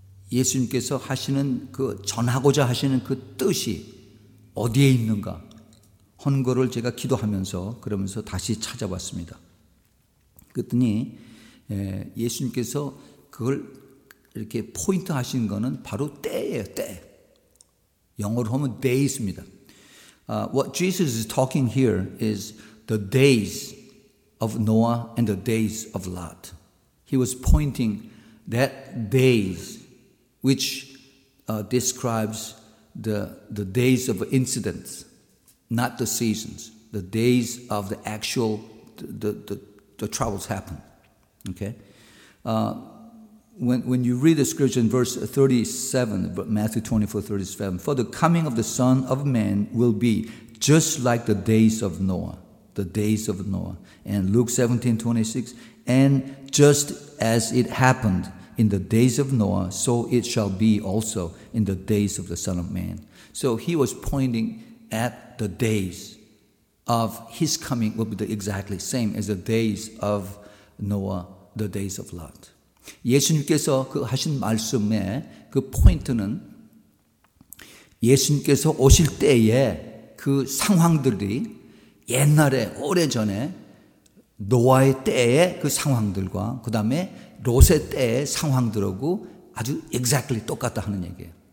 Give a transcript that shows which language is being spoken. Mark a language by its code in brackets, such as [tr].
[ko] 예수님께서 하시는 그 전하고자 하시는 그 뜻이 어디에 있는가? 하는 거를 제가 기도하면서 그러면서 다시 찾아봤습니다. 그랬더니 예수님께서 그걸 이렇게 포인트 하신 거는 바로 때예요, 때. 영어로 하면 days입니다. [en] What Jesus is talking here is the days of Noah and the days of Lot. He was pointing that days which describes the days of incidents, not the seasons, the days of the actual the troubles happen. Okay? When you read the scripture in verse 37, Matthew 24, 37, for the coming of the Son of Man will be just like the days of Noah. The days of Noah, and Luke 17, 26, and just as it happened in the days of Noah, so it shall be also in the days of the Son of Man. So he was pointing at the days of his coming will be the exactly same as the days of Noah, the days of Lot. [ko] 예수님께서 그 하신 말씀의 그 포인트는 예수님께서 오실 때에 그 상황들이 옛날에 오래전에 노아의 때의 그 상황들과 그 다음에 롯의 때의 상황들하고 아주 exactly 똑같다 하는 얘기예요.